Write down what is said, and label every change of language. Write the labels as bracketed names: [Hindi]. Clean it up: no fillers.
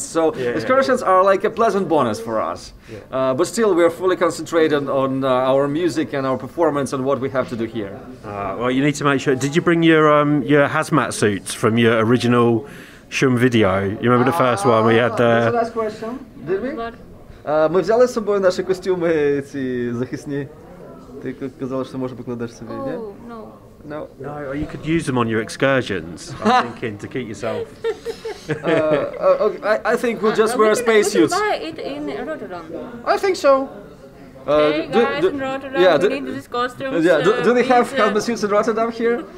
[English] So excursions are like a pleasant bonus for us. Yeah. But still, we are fully concentrated on our music and our performance and what we have to do here. Well, you need to make sure. Did you bring your hazmat suits from your original SHUM video? You remember the first one we had? That's a nice question. Did we? [Russian] Мы взяли с собой наши костюмы эти захисни. Ты сказала, что можешь покладешь себе, да? [English] No. No, or you could use them on your excursions, I'm thinking, to keep yourself. Okay, I think we'll just wear space suits. We can buy it in Rotterdam. I think so. Hey guys, in Rotterdam, we need these costumes. Yeah, do they have helmet suits in Rotterdam here?